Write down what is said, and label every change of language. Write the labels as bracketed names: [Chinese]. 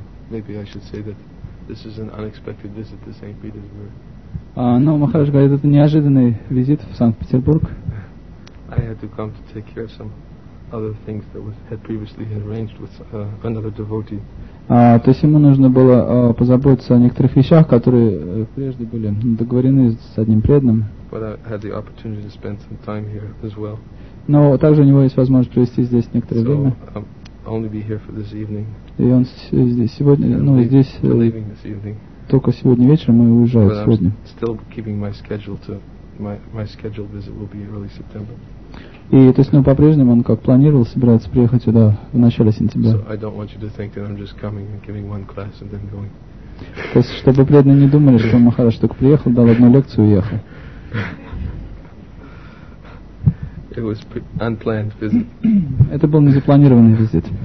[English] Maybe I should say that this is an unexpected visit to St. Petersburg. [Russian] Но Махарадж говорит, это неожиданный визит в Санкт-Петербург. [English] I had to come to take care of some other things that was had previously arranged with another devotee. [Russian] То есть ему нужно было позаботиться о некоторых вещах, которые прежде были договорены с одним преданным. [English] But I had the opportunity to spend some time here as well. [Russian] Но также у него есть возможность провести здесь некоторое время. [English] Only be here for this evening. [Russian] И он здесь сегодня, ну здесь только сегодня вечером, мы уезжаем сегодня. [English] Still keeping my schedule to my scheduled visit will be early September. [Russian] И то есть, ну по-прежнему он как планировал собирается приехать сюда в начале сентября. [English] So I don't want you to think that I'm just coming and giving one class and then going. [Russian] То есть, чтобы преданные не думали, что Махарадж только приехал, дал одну лекцию и уехал. [English] It was unplanned visit. [Russian] Это был незапланированный визит.